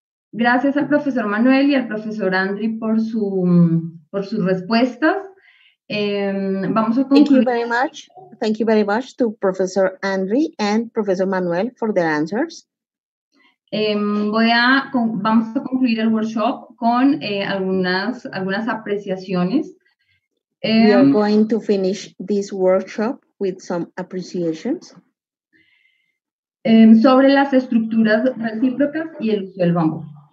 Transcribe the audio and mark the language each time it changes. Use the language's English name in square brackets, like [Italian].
[Spanish] Gracias al profesor Manuel y al profesor Andri por su respuestas. Vamos a concluir. [English] Thank you very much to Professor Andri and Professor Manuel for their answers. [Spanish] Vamos a concluir el workshop con algunas apreciaciones. [English] We are going to finish this workshop with some appreciations. [Spanish] Sobre las estructuras recíprocas y el uso del bambú.